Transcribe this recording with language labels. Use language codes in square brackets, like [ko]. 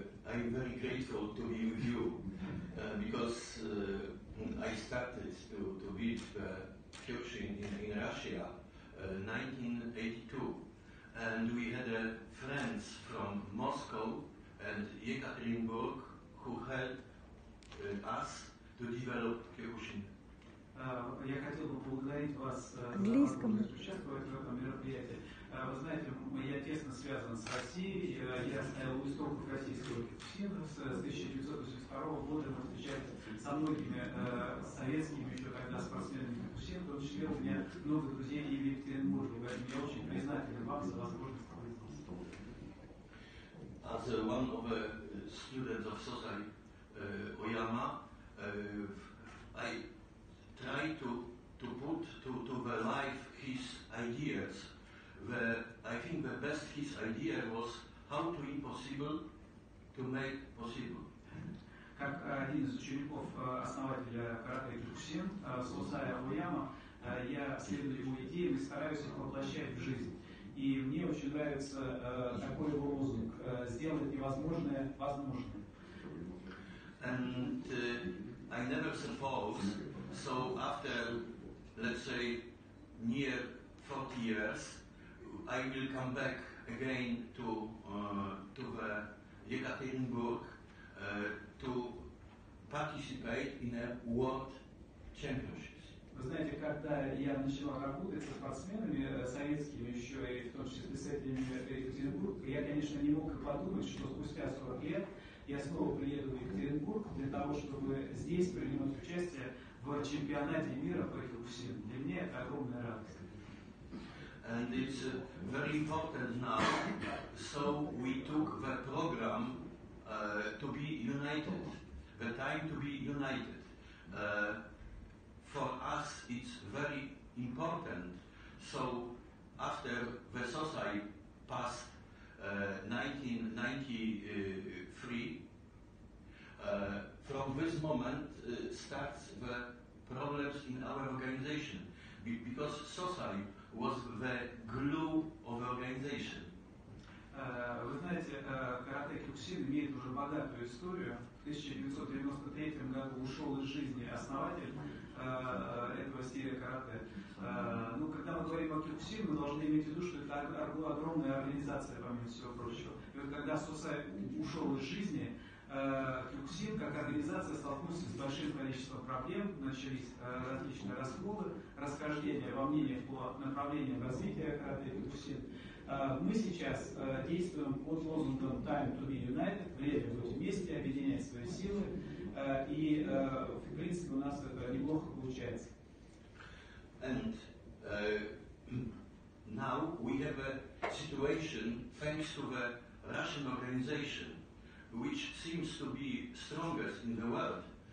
[en] I'm very grateful to be with you because I started to build church in Russia in 1982, and we had friends from Moscow and Yekaterinburg who helped us to develop Kyokushin. [ru] Я хотел бы поблагодарить вас за то, что участвовать в этом мероприятии. Вы знаете, я тесно связан с Россией. Я стоял у истоков российского кюкусина. С 1982 года мы встречались со многими советскими еще тогда спортсменами кюкусина. В том числе у меня много друзей и в Екатеринбурге. Поэтому я очень признателен вам за возможность побыть на стол. [en] As one of the students of Sosai Oyama, I try to put to the life his ideas. I think the best his idea was how to impossible to make possible. [ru] Как один из учеников основателя карате кюкусин Сосай Ояма, я следую его идеям и стараюсь их воплощать в жизнь. И мне очень нравится такой его лозунг: сделать невозможное возможным. [en] And I never suppose, so after, let's say, near 40 years, I will come back again to the Yekaterinburg to participate in a world championships. [ru] Вы знаете, когда я начала работать со спортсменами советскими еще и в том числе с этими Екатеринбург, я, конечно, не мог и подумать, что спустя 40 лет я снова приеду в Екатеринбург для того, чтобы здесь принимать участие в чемпионате мира по кикбоксингу. Для меня это огромная радость. [en] And it's very important now, so we took the program to be united, the time to be united. For us it's very important, so after the Sosai passed 1993, from this moment starts the problems in our organization, because Sosai was the glue of the organization. [ru] Вы знаете, карате кюкусин имеет уже богатую историю. В 1993 году ушел из жизни основатель этого стиля карате. Но когда мы говорим о кюкусин, мы должны иметь в виду, что это огромная организация, помимо всего прочего. И вот когда Сосай ушел из жизни, кюкусин как организация столкнулся с большим количеством проблем, начались различные расходы, расхождения во мнениях по направлениям развития карате кюкусин. Мы сейчас действуем под лозунгом [en] Time to be United, [ru] время быть вместе, объединять свои силы, и в принципе у нас это неплохо получается. [en] And now we have a situation thanks to the Russian organization, which seems to be strongest in the world.